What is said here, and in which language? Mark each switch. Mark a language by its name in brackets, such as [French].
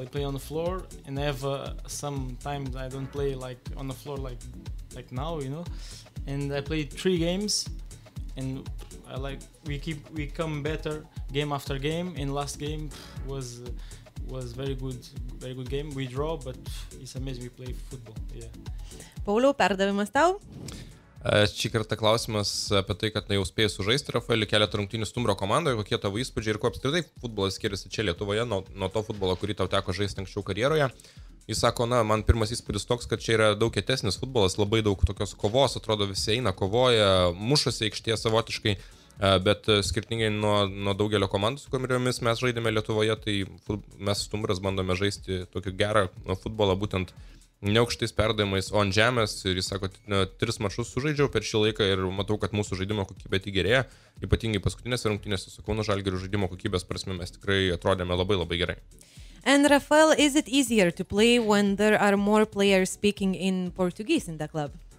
[English] They play on the floor, and I have some time that I don't play like on the floor like now, you know? And I played 3 games, and I like we come better game after game, and last game was very good game. We draw, but it's amazing we play football, yeah. [Lithuanian] Pauliau, perdavimas tau. Šį kartą klausimas apie tai, kad na, jau spėjai sužaisti, Rafaeli, keletą rungtynių Stumbro komandoje, kokie tavo įspūdžiai ir kuo apskritai futbolas skiriasi čia Lietuvoje nuo to futbolo, kurį tau teko žaisti anksčiau karjeroje. Jis sako, na, man pirmas įspūdis toks, kad čia yra daug kietesnis futbolas, labai daug tokios kovos, atrodo visi eina, kovoja, mušasi aikštėje savotiškai, bet skirtingai nuo daugelio komandų, su kuriomis mes žaidėme Lietuvoje, tai mes Stumbras bandome žaisti tokį gerą futbolą būtent ne aukštais perdavimais, o ant žemės, ir jis sako, 3 maršus sužaidžiau per šį laiką ir matau, kad mūsų žaidimo kokybė tik gerėja, ypatingai paskutinės rungtynės su Kauno Žalgiriu žaidimo kokybės prasme mes tikrai atrodėme labai labai gerai. [English] And Rafael, is it easier to play when there are more players speaking in Portuguese in the club?